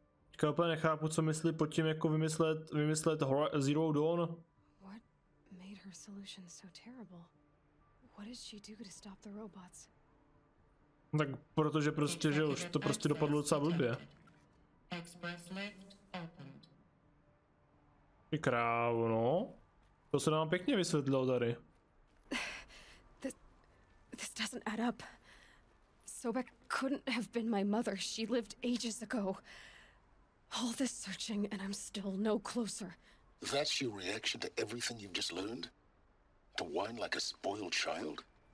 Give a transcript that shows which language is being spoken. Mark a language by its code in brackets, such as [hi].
[cs] Teďka úplně nechápu, co myslí pod tím, jako vymyslet Zero Dawn. [en] What made her solution so terrible? What did she do to stop the robots? [cs] Tak protože prostě, že už to prostě dopadlo docela blbě. Ty krávo, no. To se nám pěkně vysvětlilo tady. [en] This doesn't add up. Sobek couldn't have been my mother. She lived ages ago. All this searching and I'm still no closer. That's your reaction to everything you've just learned? To whine like a spoiled child?